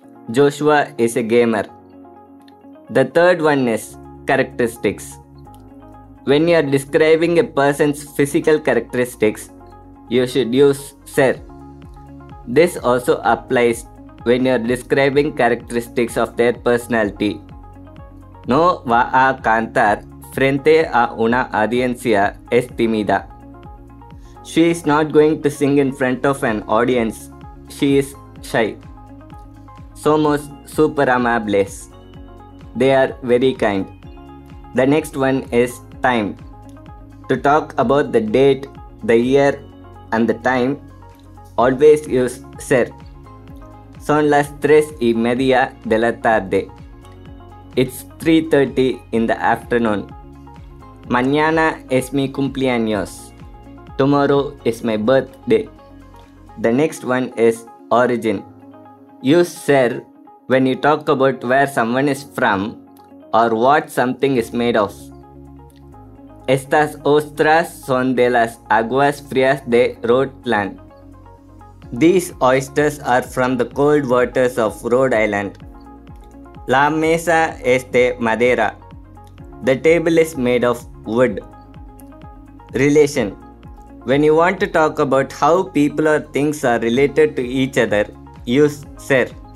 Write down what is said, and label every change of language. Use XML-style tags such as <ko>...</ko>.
<en>Joshua is a gamer. The third one is characteristics. When you are describing a person's physical characteristics, you should use ser. This also applies when you are describing characteristics of their personality.</en> <es>No va a cantar frente a una audiencia es tímida.</es> <en>She is not going to sing in front of an audience. She is shy.</en> <es>Somos super amables.</es> <en>They are very kind. The next one is time. To talk about the date, the year, and the time, always use ser.</en> <es>Son las tres y media de la tarde.</es> <en>It's 3:30 in the afternoon.</en> <es>Mañana es mi cumpleaños.</es> <en>Tomorrow is my birthday. The next one is origin. Use sir when you talk about where someone is from or what something is made of.</en> <es>Estas ostras son de las aguas frías de Rhode Island.</es> <en>These oysters are from the cold waters of Rhode Island.</en> <es>La mesa es de madera.</es> <en>The table is made of wood. Relation. When you want to talk about how people or things are related to each other, use ser.</en>